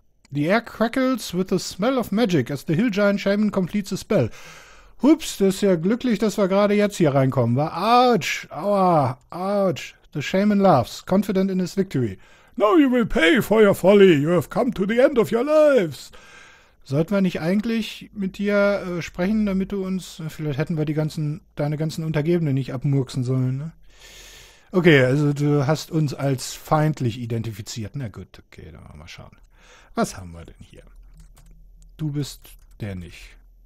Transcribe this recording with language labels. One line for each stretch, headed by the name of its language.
English: The air crackles with the smell of magic as the hill giant shaman completes the spell.
German: Hups, das ist ja glücklich, dass wir gerade jetzt hier reinkommen, wa?
English: Ouch, aua, ouch. The shaman laughs, confident in his victory. Now you will pay for your folly. You have come to the end of your lives.
German: Sollten wir nicht eigentlich mit dir sprechen, damit du uns. Vielleicht hätten wir deine ganzen Untergebenen nicht abmurksen sollen, ne? Okay, also du hast uns als feindlich identifiziert. Na gut, okay, dann mal schauen. Was haben wir denn hier? Du bist der nicht.